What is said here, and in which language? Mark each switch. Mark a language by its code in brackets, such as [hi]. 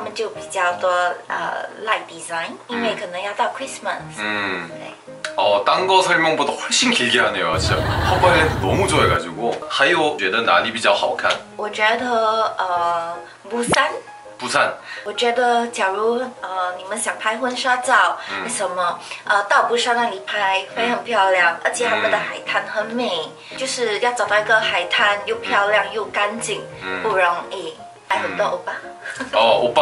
[zh] 有很多地方都可以拍照，而且每一次都会有很多不一样的东西，就像这一次可能是冬天，他们就比较多light design， 因为可能要到 Christmas。 [ko] 딴거 설명보다 훨씬 길게 하네요, 진짜. 허브아일랜드 너무 좋아해가지고. [zh] 还有觉得哪里比较好看？我觉得，釜山。釜山，我觉得假如你们想拍婚纱照，什么到釜山那里拍会很漂亮，而且他们的海滩很美，就是要找到一个海滩又漂亮又干净，不容易，还很多欧巴。哦，欧巴